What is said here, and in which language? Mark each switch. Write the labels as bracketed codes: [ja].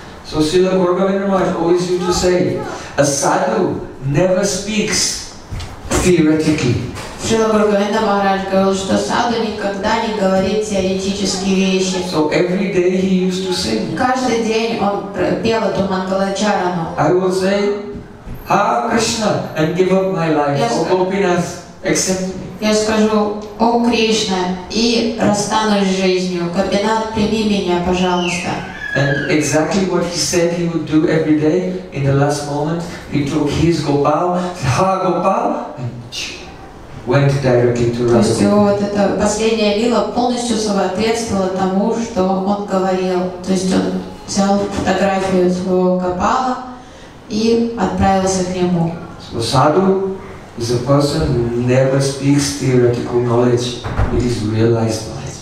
[en] So Srila Gaura Govinda Maharaj always used to say, a sadhu never speaks. Theoretically. [ru] Шрила Гурганда Махарадж говорил, что саду никогда не говорит теоретические вещи. [en] So every day he used to sing. [ru] Каждый день он пел эту мангалачарану. [en] I will say, Ha Krishna, and give up my life. Oh Gopinas, accept me. [ru] Я скажу, о Кришна, и расстанусь с жизнью. Гопинат, прими меня, пожалуйста. [en] And exactly what he said he would do every day, in the last moment, he took his Gopal, Ha Gopal, and went directly to Radha. [ru] То есть вот эта последняя лила полностью соответствовала тому, что он говорил. То есть он взял фотографию своего Гопала и отправился к нему. [en] So sadhu is a person who never speaks theoretical knowledge, it is realized knowledge.